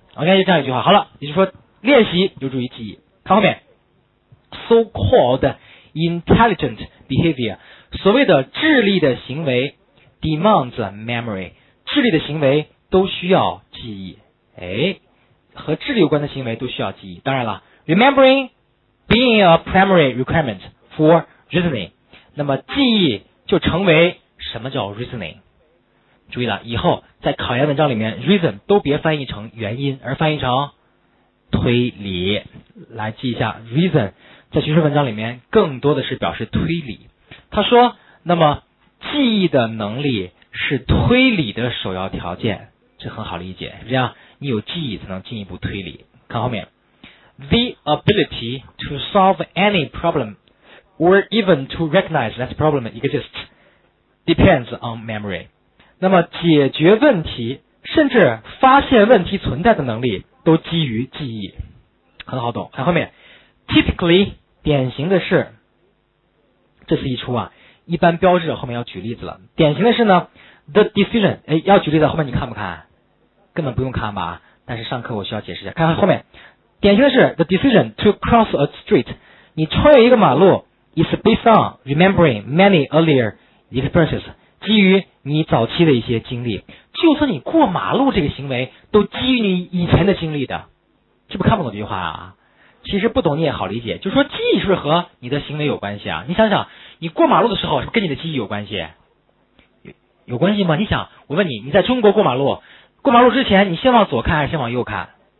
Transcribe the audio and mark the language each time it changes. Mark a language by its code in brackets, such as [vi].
[zh] OK， 就这样一句话。好了，也就是说练习有助于记忆。看后面， [en] so-called intelligent behavior， [zh] 所谓的智力的行为 [en] demands memory， [zh] 智力的行为都需要记忆。哎，和智力有关的行为都需要记忆。当然了， [en] remembering being a primary requirement for reasoning， [zh] 那么记忆就成为什么叫 reasoning。注意了，以后在考研文章里面 reason 都别翻译成原因，而翻译成推理。来记一下 reason，在学术文章里面更多的是表示推理。他说，那么记忆的能力是推理的首要条件，这很好理解，这样你有记忆才能进一步推理。看后面， [en] The ability to solve any problem or even to recognize that problem exists depends on memory， [zh] 那么解决问题甚至发现问题存在的能力都基于记忆。很好懂。看后面，typically 典型的是，这次一出啊，一般标志后面要举例子了。典型的是呢 ， [en] the decision， [zh] 哎，要举例子，后面你看不看？根本不用看吧，但是上课我需要解释一下。看看后面，典型的是 [en] the decision to cross a street， [zh] 你穿越一个马路 [en] ，is based on remembering many earlier experiences， [zh] 基于你早期的一些经历。就算你过马路这个行为，都基于你以前的经历的，是不是看不懂这句话啊？其实不懂你也好理解，就是说记忆是不是和你的行为有关系啊？你想想，你过马路的时候是不是跟你的记忆有关系？有关系吗？你想，我问你，你在中国过马路，过马路之前你先往左看还是先往右看？